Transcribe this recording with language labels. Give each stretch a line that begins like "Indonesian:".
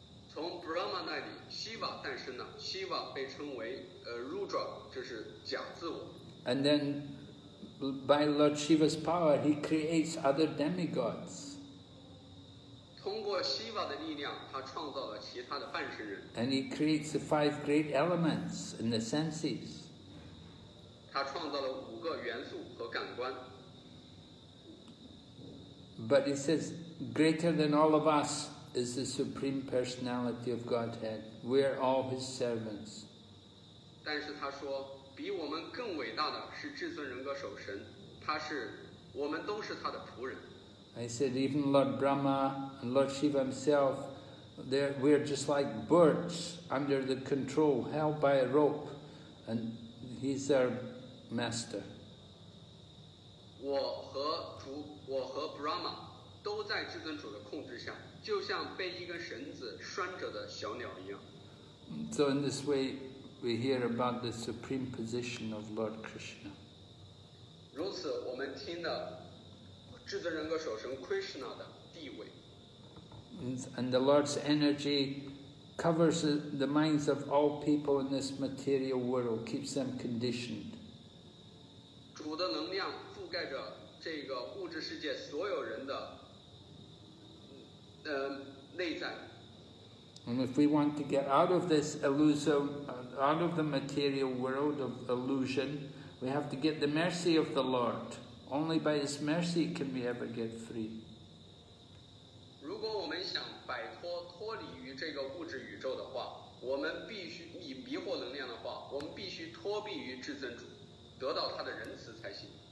Chinese: 从 Brahma 那里 ，Shiva 诞生了。Shiva 被称为Rudra, 就是假自我。
English: And then, by Lord Shiva's power, he creates other demigods.
Chinese: 通过 Shiva 的力量，他创造了其他的半神人。
English: And he creates the five great elements in the senses.
Chinese: 他创造了五个元素和感官。
English: But he says, greater than all of us is the Supreme Personality of Godhead. We are all his servants.
Chinese: 但是他说，比我们更伟大的是至尊人格守神，他是，我们都是他的仆人。
English: I said even Lord Brahma and Lord Shiva himself, we're just like birds under the control held by a rope, and he's our master.
Chinese: 我和 Brahma 都在至尊主的控制下，就像被一根绳子拴着的小鸟一样。
English: So in this way. We hear about the supreme position of Lord Krishna.
Chinese: 如此，我们听了至尊人格守神 Krishna 的地位。
English: And the Lord's energy covers the minds of all people in this material world, keeps them conditioned.
Chinese: 主的能量覆盖着这个物质世界所有人的内在。
English: And if we want to get out of this illusion, out of the material world of illusion, we have to get the mercy of the Lord. Only by His mercy can we ever get free.
Chinese: 如果我们想摆脱脱离于这个物质宇宙的话，我们必须以迷惑能量的话，我们必须脱避于至尊主，得到他的仁慈才行。